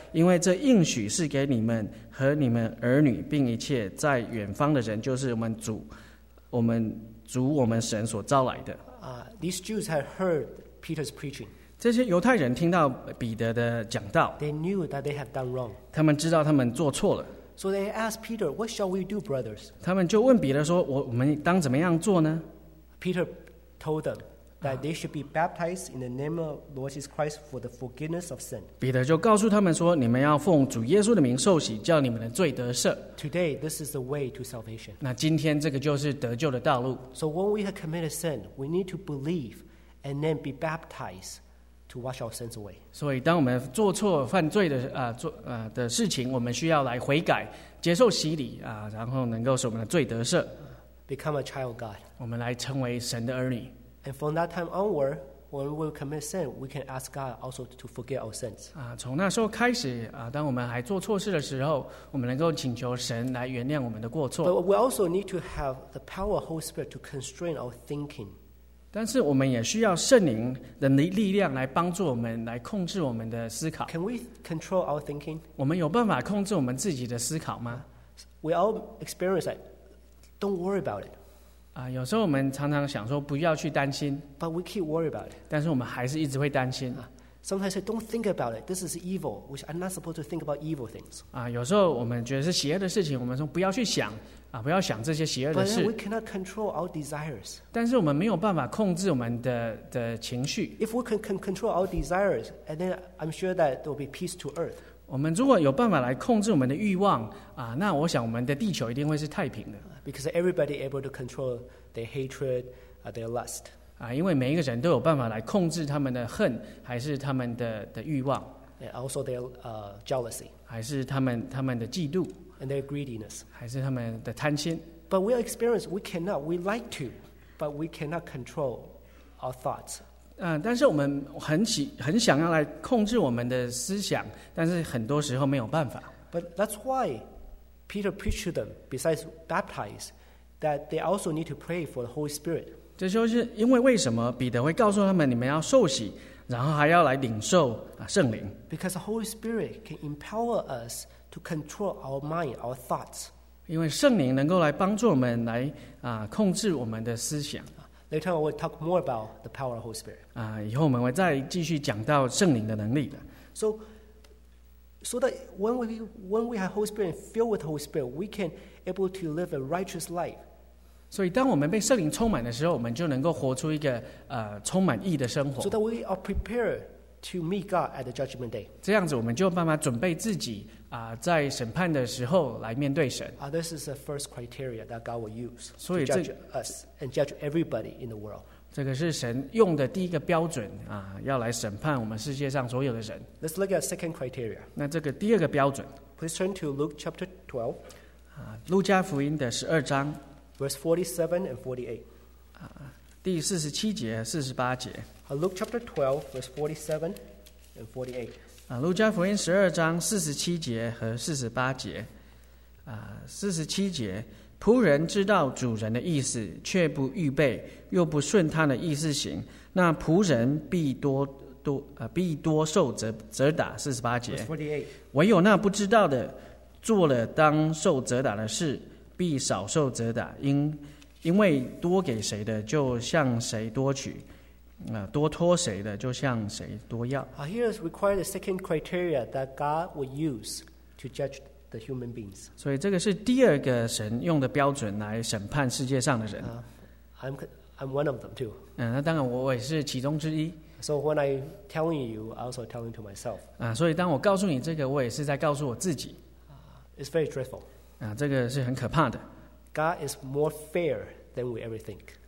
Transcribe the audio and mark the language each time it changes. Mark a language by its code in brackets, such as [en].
[zh] 因为这应许是给你们和你们儿女并一切在远方的人就是我们主我们神所召来的 [en] These Jews had heard Peter's preaching. [zh] 这些犹太人听到彼得的讲道 [en] they knew that they have done wrong. [zh] 他们知道他们做错了 [en] So they asked Peter, what shall we do, brothers? [zh] 他们就问彼得说 我们当怎么样做呢 [en] Peter told them that they should be baptized in the name of Lord Jesus Christ for the forgiveness of sin. [zh] 彼得就告诉他们说你们要奉主耶稣的名受洗叫你们的罪得赦 [en] Today, this is the way to salvation. [zh] 那今天这个就是得救的道路 [en] So when we have committed sin, we need to believe and then be baptizedto wash our sins away. [zh] 所以当我们做错犯罪的的事情我们需要来悔改接受洗礼然后能够使我们的罪得赦。 [en] Become a child of God. [zh] 我们来成为神的儿女。 [en] And from that time onward, when we commit sin, we can ask God also to forgive our sins. [zh] 从那时候开始当我们还做错事的时候我们能够请求神来原谅我们的过错。 [en] But we also need to have the power of the Holy Spirit to constrain our thinking. [zh] 但是我们也需要圣灵的力量来帮助我们来控制我们的思考 [en] Can we control our thinking? [zh] 我们有办法控制我们自己的思考吗 [en] We all experience that Don't worry about it [zh] 有时候我们常常想说不要去担心 [en] But we keep worry about it [zh] 但是我们还是一直会担心 [en] Sometimes say don't think about it This is evil which I'm not supposed to think about evil things [zh] 有时候我们觉得是邪恶的事情我们说不要去想不要想这些邪恶的事。 [en] But we cannot control our desires. [zh] 但是我们没有办法控制我们 的情绪。 [en] If we can control our desires, and then I'm sure that there will be peace to earth. [zh] 我们如果有办法来控制我们的欲望那我想我们的地球一定会是太平的。 [en] Because everybody able to control their hatred, their lust. [zh] 因为每一个人都有办法来控制他们的恨还是他们 的欲望。 [en] And also their jealousy. [zh] 还是他们的嫉妒。 [en] And their greediness. [zh] 还是他们的贪心。 [en] But we experience, we cannot, we like to, but we cannot control our thoughts. [zh] 但是我们很想要来控制我们的思想，但是很多时候没有办法。 [en] But that's why Peter preached to them, besides baptize, that they also need to pray for the Holy Spirit. [zh] 这就是因为为什么彼得会告诉他们你们要受洗，然后还要来领受圣灵。 [en] Because the Holy Spirit can empower us. To control our mind, our thoughts. [zh] 因为圣灵能够来帮助我们来控制我们的思想。 [en] Later, we'll talk more about the power of the Holy Spirit. [zh] 以后我们会再继续讲到圣灵的能力的。 [en] So that when we have Holy Spirit and filled with the Holy Spirit, we can able to live a righteous life. [zh] 所以当我们被圣灵充满的时候，我们就能够活出一个充满义的生活。 [en] So that we are prepared to meet God at the judgment day. [zh] 这样子，我们就有办法准备自己。在审判的时候来面对神。 [en] This is the first criteria that God will use to judge us and judge everybody in the world. [zh] 这个是神用的第一个标准要来审判我们世界上所有的人。 [en] Let's look at second criteria. [zh] 那这个第二个标准。 [en] Please turn to Luke chapter 12. [zh] 路加福音的12章, [en] verse 47 and 48. [zh] 第47节, [en] Luke chapter 12, verse 47 and 48. [zh] 路加福音12章47节和48节，47节， 仆人知道主人的意思，却不预备，又不顺他的意思行， 那仆人必多受责打。 48节， 唯有那不知道的，做了当受责打的事， 必少受责打， 因为多给谁的，就向谁多取。多托谁的就向谁多要。 [en] Here is required the second criteria that God would use to judge the human beings. [zh] 所以这个是第二个神用的标准来审判世界上的人。 [en] I'm one of them too. [zh] 那当然我也是其中之一。 [en] So when I'm telling you, I'm also telling to myself. [zh] 所以当我告诉你这个，我也是在告诉我自己。 [en] It's very dreadful. [zh] 这个是很可怕的。 [en] God is more fair than we ever think.